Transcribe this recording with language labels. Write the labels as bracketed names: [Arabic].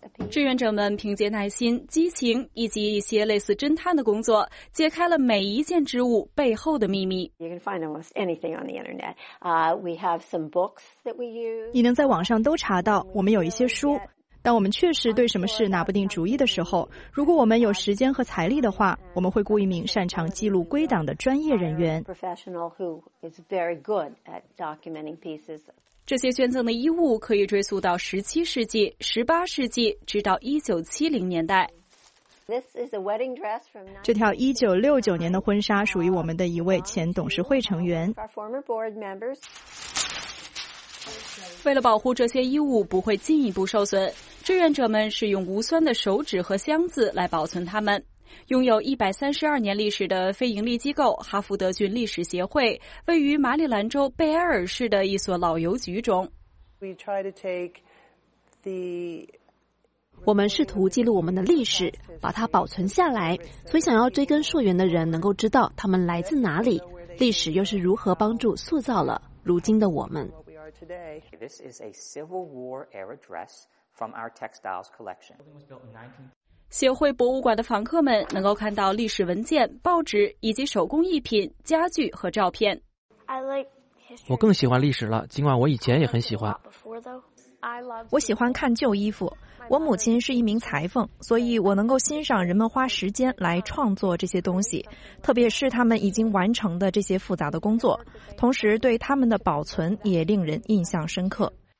[Chinese] 志愿者们凭借耐心、激情以及一些类似侦探的工作，揭开了每一件织物背后的秘密。 [English] You can find almost anything on the internet. We have some books that we use. [Chinese] 你能在网上都查到，我们有一些书。当我们确实对什么事拿不定主意的时候，如果我们有时间和财力的话，我们会雇一名擅长记录归档的专业人员。这些捐赠的衣物可以追溯到17世纪、18世纪，直到1970年代。这条1969年的婚纱属于我们的一位前董事会成员。为了保护这些衣物不会进一步受损，志愿者们是用无酸的手纸和箱子来保存它们。拥有132年历史的非盈利机构哈佛德郡历史协会，位于马里兰州贝埃尔市的一所老邮局中。我们试图记录我们的历史，把它保存下来，所以想要追根溯源的人能够知道他们来自哪里，历史又是如何帮助塑造了如今的我们。 [English] This is a Civil War era dress from our textiles collection. [Chinese] 协会博物馆的访客们能够看到历史文件、报纸以及手工艺品、家具和照片。我更喜欢历史了，尽管我以前也很喜欢。我喜欢看旧衣服。我母亲是一名裁缝，所以我能够欣赏人们花时间来创作这些东西，特别是他们已经完成的这些复杂的工作，同时对他们的保存也令人印象深刻。